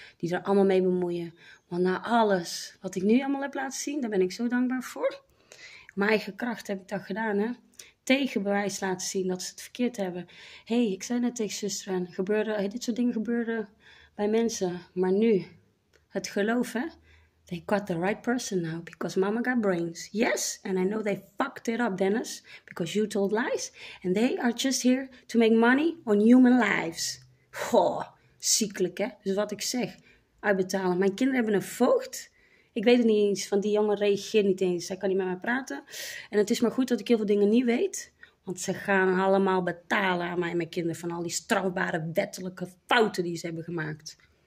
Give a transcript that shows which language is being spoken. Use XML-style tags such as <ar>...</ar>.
<nl>Die er allemaal mee bemoeien. Want na alles wat ik nu allemaal heb laten zien, daar ben ik zo dankbaar voor. Mijn eigen kracht heb ik dat gedaan, hè. Tegenbewijs laten zien dat ze het verkeerd hebben. Hé, ik zei net tegen zuster en dit soort dingen gebeurde bij mensen. Maar nu, het geloof, hè.</nl> <en>They got the right person now, because mama got brains. Yes, and I know they fucked it up, Dennis, because you told lies. And they are just here to make money on human lives.</en> <nl>Goh, ziekelijk, hè. Dus wat ik zeg, uitbetalen. Mijn kinderen hebben een voogd. Ik weet het niet eens, van die jongen reageert niet eens. Zij kan niet met mij praten. En het is maar goed dat ik heel veel dingen niet weet. Want ze gaan allemaal betalen aan mij en mijn kinderen van al die strafbare wettelijke fouten die ze hebben gemaakt.</nl>